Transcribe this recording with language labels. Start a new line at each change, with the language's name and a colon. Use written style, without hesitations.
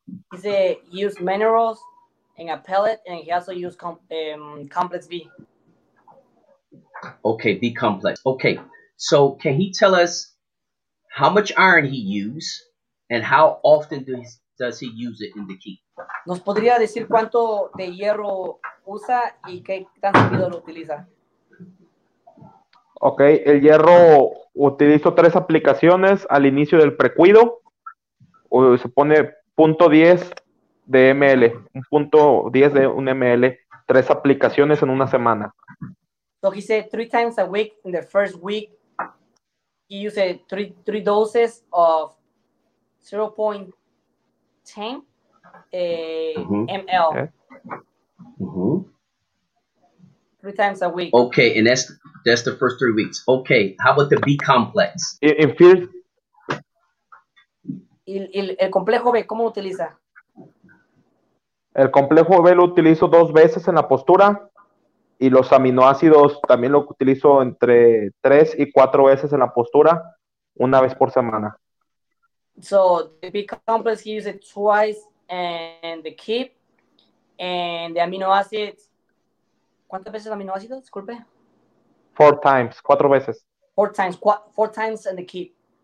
Spanish: Dice,
English: use minerals in a pellet and he also use complex B. Okay, be complex. Okay, so can he tell us how much iron he uses and how often does he use it in the key?
Spanish: ¿Nos podría decir cuánto de hierro usa y qué tan seguido lo utiliza? Okay, el hierro utilizo 3 aplicaciones al inicio del precuido. Se pone 0.10 de ml, 0.10 de un ml, 3 aplicaciones en una semana.
English: So he said 3 times a week in the first week, he used 3 doses of 0.10 ml. Mm-hmm. 3 times a week. Okay, and that's the first 3 weeks. Okay, how about the B complex?
Spanish: El complejo B, ¿cómo lo utiliza? El complejo B lo utilizo 2 veces en la postura. Y los aminoácidos también lo utilizo entre 3 y 4 veces en la postura, una vez por semana.
English: So, the B complex, he uses it twice and the keep. And the amino acids,
Spanish: ¿cuántas veces aminoácidos? Disculpe.
English: 4 times,
Spanish: 4 veces.
English: 4 times, 4 times in the keep.